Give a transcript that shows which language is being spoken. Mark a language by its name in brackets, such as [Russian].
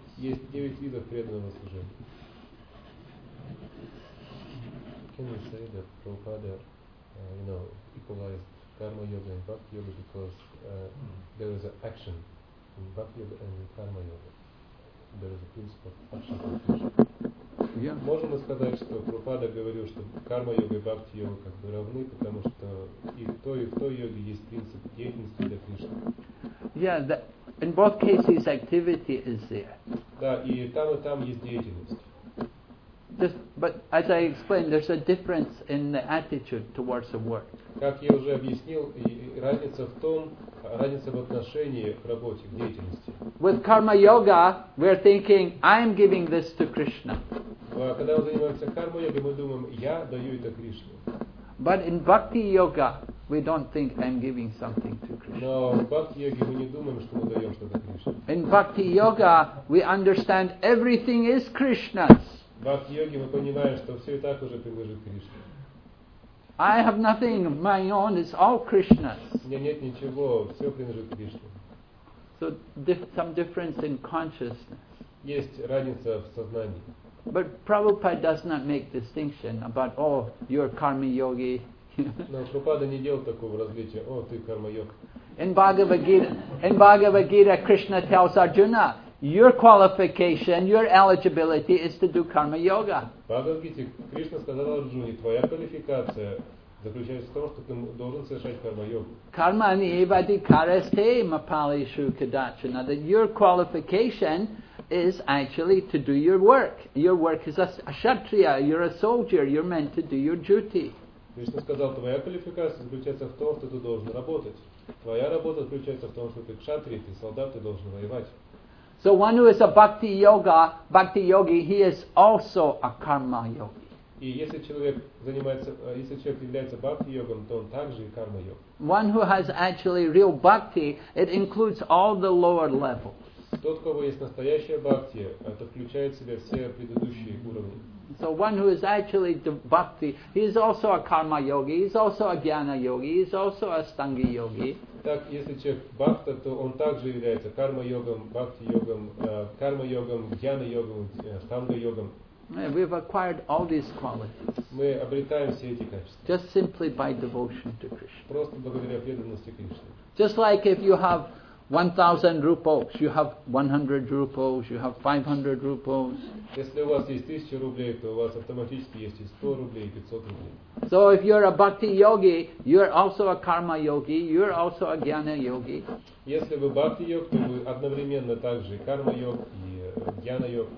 [Russian] Есть 9 видов преданного служения. [English] Can you say that Prabhupada, equalized karma yoga and bhakti yoga because there is an action in bhakti yoga and karma yoga. There is a principle of action. Yeah. [Russian] Можно сказать, что Прабхупада говорил, что карма йога и бхакти йога как бы равны, потому что и в той йоге есть принцип деятельности для Кришны. [English] Yeah, in both cases activity is there. [Russian] Да, и там есть деятельность. [English] Just, but as I explained, there's a difference in the attitude towards the work. [Russian] как я уже объяснил, разница в том, разница в отношении к работе, к деятельности. [English] With karma yoga, we are thinking, I'm giving this to Krishna. [Russian] Когда мы занимаемся карма йогой, мы думаем, я даю это Кришне. [English] But in bhakti yoga, we don't think I'm giving something to Krishna. [Russian] Но в бхакти йоге мы не думаем, что мы даем что-то Кришне. [English] In bhakti yoga, we understand everything is Krishna's. [Russian] В бхакти йоге мы понимаем, что все и так уже принадлежит Кришне. [English] I have nothing of my own, it's all Krishna's. [Russian] Мне нет ничего, все принадлежит Кришне. [English] So some difference in consciousness. [Russian] Есть разница в сознании. [English] But Prabhupada does not make distinction about, oh, you're karma yogi. [Russian] Но Прабхупада не делал такого различия. О, ты карма йог. [English] In Bhagavad Gita, Krishna tells Arjuna, your qualification, your eligibility is to do karma yoga. [Russian] Бхагавад-гите Кришна сказал Арджуне, твоя квалификация заключается в том, что ты должен совершать карма йогу. [Sanskrit] Karma nivadi kareste mapali shu kadachana. [English] That your qualification is actually to do your work. Your work is a kshatriya, you're a soldier, you're meant to do your duty. [Russian] Кришна сказал, твоя квалификация заключается в том, что ты должен работать. Твоя работа заключается в том, что ты кшатрия, ты солдат, ты должен воевать. [English] So one who is a bhakti yoga, bhakti yogi, he is also a karma yogi. [Russian] И если человек занимается, если человек является бхакти йогом, то он также и карма йог. [English] One who has actually real bhakti, it includes all the lower levels. [Russian] Тот, у кого есть настоящая бхакти, это включает в себя все предыдущие уровни. [English] So one who is actually bhakti, he is also a karma yogi, he is also a jnana yogi, he is also a stanga yogi. [Russian] Так, если человек бхакта, то он также является карма-йогом, бхакти-йогом, карма-йогом, джьяна-йогом, станга-йогом. [English] We've acquired all these qualities. [Russian] Мы обретаем все эти качества. [English] Just simply by devotion to Krishna. [Russian] Просто благодаря преданности Кришне. [English] Just like if you have 1,000 rupees, you have 100 rupees, you have 500 rupees. [Russian] Если у вас есть 1000 рублей, то у вас автоматически есть и 100 рублей, и 500 рублей. [English] So if you're a bhakti yogi, you're also a karma yogi, you're also a jnana yogi. [Russian] Если вы бхакти йог, то вы одновременно также карма йог и джьяна йог.